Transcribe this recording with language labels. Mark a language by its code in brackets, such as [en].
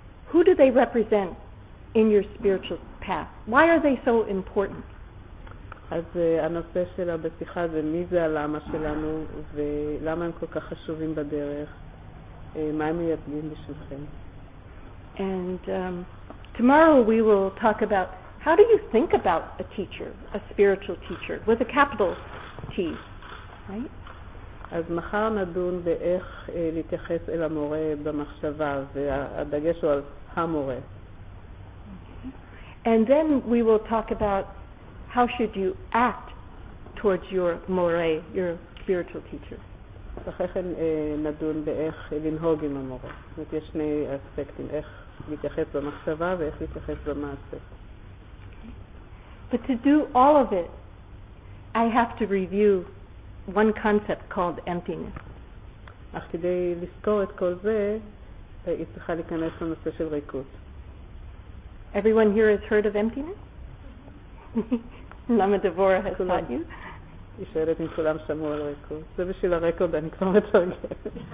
[en] Who do they represent in your spiritual path? Why are they so important? [he] אז הנושא של הבשיחה זה מי זה הלמה שלנו ולמה הם כל כך חשובים בדרך, מה הם מייבלים בשבילכם. [en] And tomorrow we will talk about how do you think about a teacher, a spiritual teacher, with a capital T, right? [he] אז מחר נדון באיך להתייחס אל המורה במחשבה, והדגש הוא על המורה. [en] And then we will talk about how should you act towards your more, your spiritual teacher. [he] אחרי כן נדון באיך לנהוג עם המורה. זאת יש שני אספקטים, איך להתייחס במחשבה ואיך להתייחס במעשה. [en] But to do all of it, I have to review one concept called emptiness. [he] אך כדי לזכור את כל זה, היא צריכה להיכנס לנושא של ריקות. [en] Everyone here has heard of emptiness? Lama Devorah has taught you? [he] היא שואלת אם כולם שמעו על ריקות. זה בשביל הרקורד, אני כבר מתרגשת.